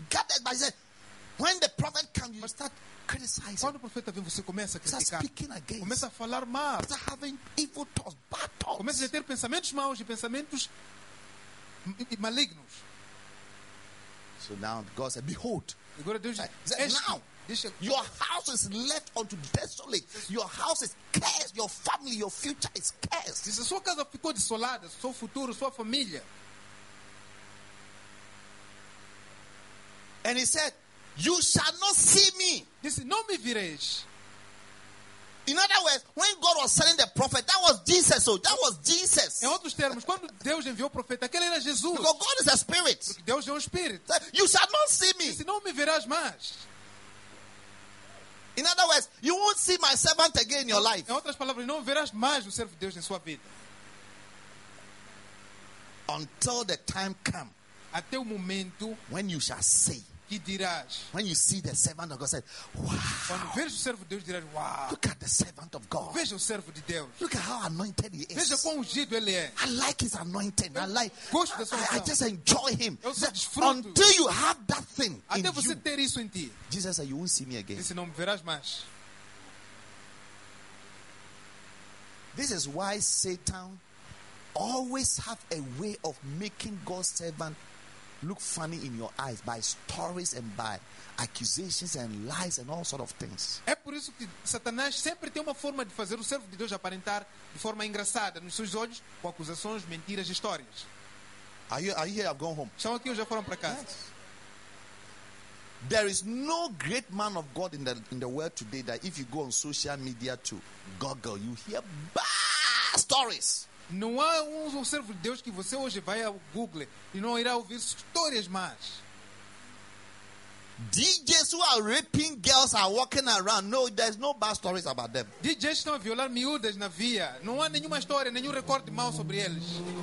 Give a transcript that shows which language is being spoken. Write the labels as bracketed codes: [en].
[en] He gathered, but he said, when the prophet comes, you start criticizing. [pt] Quando o profeta vem, você começa a criticar. [en] Start speaking against. [pt] Começa a falar mal. [en] Start having evil thoughts, bad thoughts. [pt] Começa a ter pensamentos maus e pensamentos malignos. [en] So now God said, behold. [pt] Agora Deus diz, [en] now your house is left unto desolate. Your house is cursed. Your family, your future is cursed. [pt] Diz, a sua casa ficou desolada, seu futuro, sua família. [en] And he said, you shall not see me. [pt] Diz, não me vireis. [en] In other words, when God was sending the prophet, that was Jesus. So that was Jesus. [pt] Em outros termos, quando Deus enviou o profeta, aquele era Jesus. [en] Because God is a spirit. [pt] Porque Deus é espírito. [en] So, you shall not see me. [pt] Se não me verás mais. [en] In other words, you won't see my servant again in your life. [pt] Em outras palavras, não verás mais o servo de Deus em sua vida. [en] Until the time come. [pt] Até o momento. [en] When you shall see. [pt] Que dirás? [en] When you see the servant of God, say, wow. [pt] Quando vejo o servo de Deus, dirás, wow. [en] Look at the servant of God. [pt] Veja o servo de Deus. [en] Look at how anointed he is. [pt] Veja quão ungido ele é. [en] I like his anointing. I like. [pt] Gosto da sua unção. [en] I just enjoy him. [pt] Eu só desfruto. [en] Until you have that thing in you. [pt] Até você ter isso em ti. [en] Jesus said, you won't see me again. [pt] Disse, não me verás mais. [en] This is why Satan always have a way of making God's servant look funny in your eyes by stories and by accusations and lies and all sort of things. [pt] É por isso que Satanás sempre tem uma forma de fazer o servo de Deus aparentar de forma engraçada nos seus olhos com acusações, mentiras e histórias. [en] Are you here? I've gone home. [pt] Estão aqui ou já foram para casa? [en] Yes. There is no great man of God in the world today that if you go on social media to Google, you hear bad stories. [pt] Não há um servo de Deus que você hoje vai ao Google e não irá ouvir histórias más. [en] DJs who are raping girls are walking around. No, there's no bad stories about them. [pt] DJs estão a violar miúdas na via. Não há nenhuma história, nenhum recorde mau sobre eles.